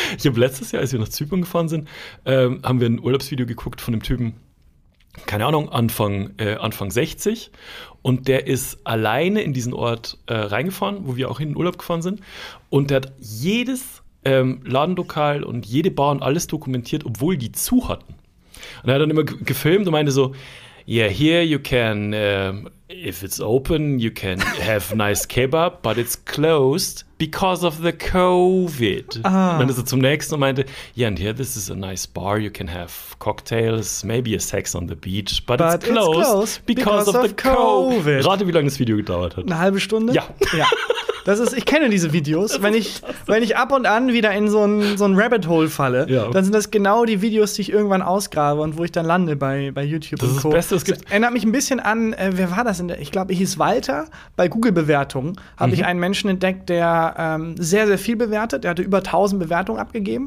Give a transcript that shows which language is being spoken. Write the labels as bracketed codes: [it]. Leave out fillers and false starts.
[de] Ich habe letztes Jahr, als wir nach Zypern gefahren sind, haben wir ein Urlaubsvideo geguckt von dem Typen, keine Ahnung, Anfang 60. Und der ist alleine in diesen Ort reingefahren, wo wir auch in den Urlaub gefahren sind. Und der hat jedes Ladenlokal und jede Bar und alles dokumentiert, obwohl die zu hatten. Und er hat dann immer gefilmt und meinte so, [en] yeah, here you can, if it's open, you can have nice kebab, but it's closed because of the COVID. [de] Und meinte so zum nächsten und meinte, [en] yeah, and here this is a nice bar, you can have cocktails, maybe a sex on the beach, but it's closed because of the COVID. [de] Rate, wie lange das Video gedauert hat. Eine halbe Stunde? Ja. Das ist, ich kenne diese Videos. Wenn ich ab und an wieder in so ein Rabbit Hole falle, dann sind das genau die Videos, die ich irgendwann ausgrabe und wo ich dann lande bei YouTube das und Co. Das ist das Beste, was gibt. Das erinnert mich ein bisschen an, wer war das? Ich glaube, ich hieß Walter. Bei Google-Bewertungen habe ich einen Menschen entdeckt, der sehr, sehr viel bewertet. Der hatte über 1000 Bewertungen abgegeben.